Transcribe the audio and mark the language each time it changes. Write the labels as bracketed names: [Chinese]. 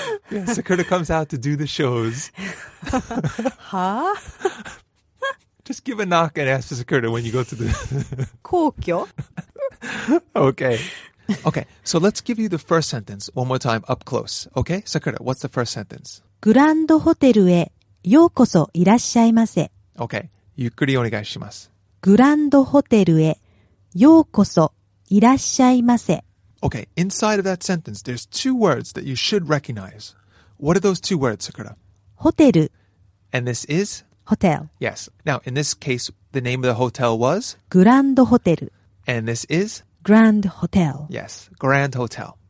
[English] Yeah, Sakura comes out to do the shows. Huh? Just give a knock and ask for Sakura when you go to the... Kokyo. Okay. Okay, so let's give you the first sentence one more time up close. Okay, Sakura, what's the first sentence? [Japanese] Grand Hotelへようこそいらっしゃいませ。 Okay, ゆっくりお願いします。 Grand Hotelへようこそいらっしゃいませ。 [English] Okay, inside of that sentence, there's two words that you should recognize. What are those two words, Sakura? Hotel. And this is? Hotel. Yes. Now, in this case, the name of the hotel was? Grand Hotel. And this is? Grand Hotel. Yes, Grand Hotel.